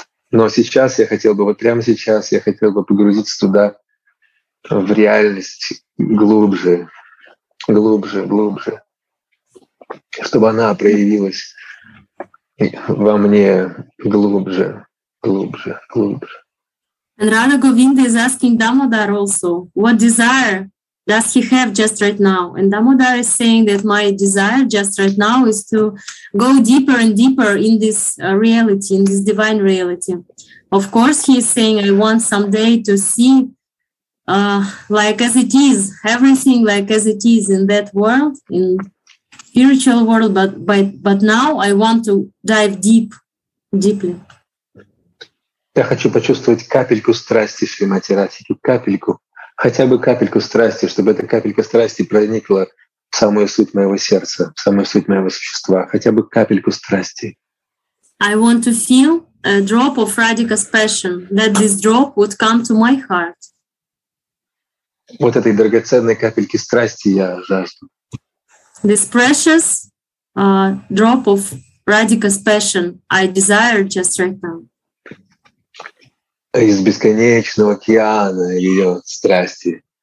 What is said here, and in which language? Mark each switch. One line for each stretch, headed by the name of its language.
Russian: Но сейчас я хотел бы, вот прямо сейчас я хотел бы погрузиться туда, в реальность глубже, глубже, глубже, чтобы она проявилась во мне глубже, глубже, глубже.
English: And Radha Govinda is asking Damodar also, what desire does he have just right now? And Damodar is saying that my desire just right now is to go deeper and deeper in this reality, in this divine reality. Of course, he is saying, I want someday to see like as it is, everything like as it is in that world, in spiritual world, but now I want to dive deeply.
Russian: Я хочу почувствовать капельку страсти, Шримати Радхики, капельку, хотя бы капельку страсти, чтобы эта капелька страсти проникла в самую суть моего сердца, в самую суть моего существа, хотя бы капельку страсти.
English: I want to feel a drop of Radhika's passion, that this drop would come to my heart.
Russian: Вот этой драгоценной капельки страсти я жажду.
English: This precious drop of Radhika's passion I desire just right now.
Russian: Из бесконечного океана ее страсти.